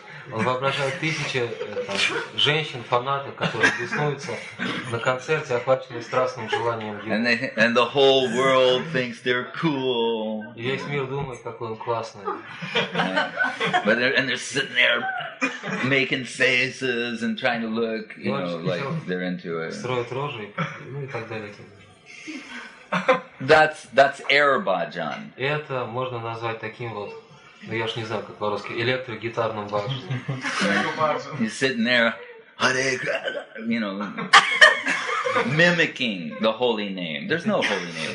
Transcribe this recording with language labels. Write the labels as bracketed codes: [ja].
[ru] Он воображает тысячи женщин, фанатов, которые беснуются на концерте, охваченные страстным желанием его. [en] And the whole world thinks they're cool. [ru] И весь мир думает, какой он классный. [en] But they're sitting there making faces and trying to look, like they're into it. [ru] Строят рожи, и так далее. [en] That's air bhajan. [ru] Это можно назвать таким вот. Ну я ж не знаю, как по-русски, электрогитарным баджаном. [en] He's sitting there, Hare Krishna, mimicking the holy name. There's no holy name.